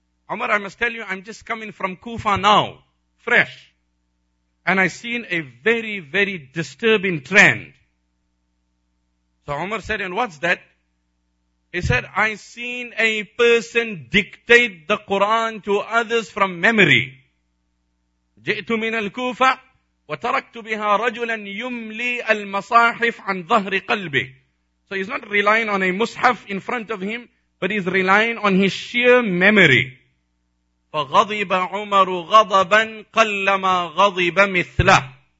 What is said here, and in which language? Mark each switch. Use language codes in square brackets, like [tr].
[en] Umar, I must tell you, I'm just coming from Kufa now, fresh. And I seen a very, very disturbing trend. So Umar said, and what's that? He said, I seen a person dictate the Quran to others from memory. [ar] جئت من الكوفة وتركت بها رجلا يملي المصاحف عن ظهر قلبه. [en] So he's not relying on a mushaf in front of him, but he's relying on his sheer memory. [ar] فغضب عمر غضبا قلما غضب مثله.